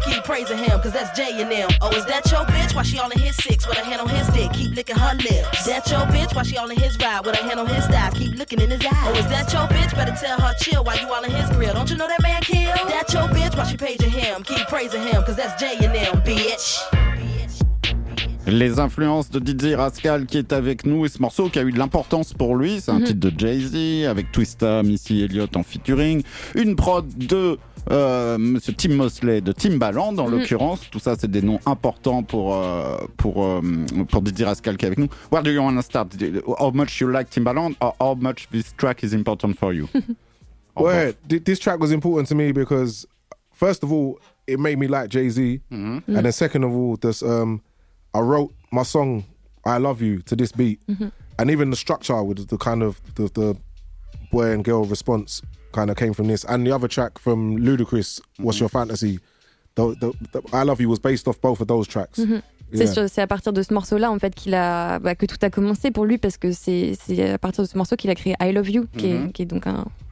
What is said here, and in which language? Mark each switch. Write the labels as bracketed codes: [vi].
[en] Keep praising him, cause that's J and M. Oh, is that your bitch? Why she all in his six with a hand on his dick? Keep licking her lips. That your bitch, why she all in his ride with a hand on his thigh? Keep looking in his eyes. Oh, is that your bitch? Better tell her chill while you all in his grill. Don't you know that man killed? That your bitch, why she paging him? Keep praising him, cause that's J and M, bitch. [fr] Les influences de Didier Rascal qui est avec nous et ce morceau qui a eu de l'importance pour lui, c'est un titre de Jay-Z avec Twista, Missy Elliott en featuring, une prod de Monsieur Tim Mosley de Timbaland en l'occurrence, tout ça c'est des noms importants pour Didier Rascal qui est avec nous. [en] Where do you want to start? How much you like Timbaland or how much this track is important for you? Well, this track was important to me because first of all, it made me like Jay-Z. And then second of all, this I wrote my song I Love You to this beat. And even the structure with the kind of the boy and girl response kind of came from this. And the other track from Ludacris, What's Your Fantasy? The I Love You was based off both of those tracks. [fr] C'est à partir de ce morceau-là en fait qu'il a que tout a commencé pour lui parce que c'est à partir de ce morceau qu'il a créé I Love You qui est donc un